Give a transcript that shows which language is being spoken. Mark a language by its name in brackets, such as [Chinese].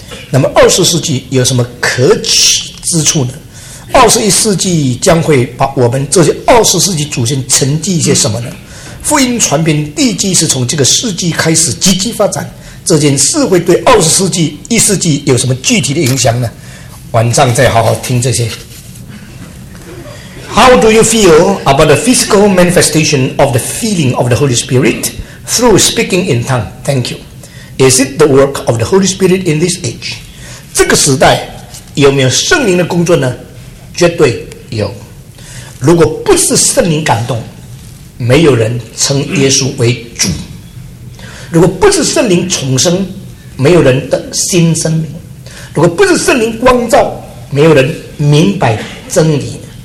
[Chinese] 那么二十世纪有什么可耻之处呢？二十一世纪将会把我们这些二十世纪祖先沉寂一些什么呢？福音传遍地基是从这个世纪开始积极发展，这件事会对二十世纪一世纪有什么具体的影响呢？晚上再好好听这些。 [English] How do you feel about the physical manifestation of the feeling of the Holy Spirit through speaking in tongue? Thank you. Is it the work of the Holy Spirit in this age? [Chinese] 这个时代有没有圣灵的工作呢？绝对有。如果不是圣灵感动，没有人称耶稣为主。如果不是圣灵重生，没有人得新生命。如果不是圣灵光照，没有人明白真理。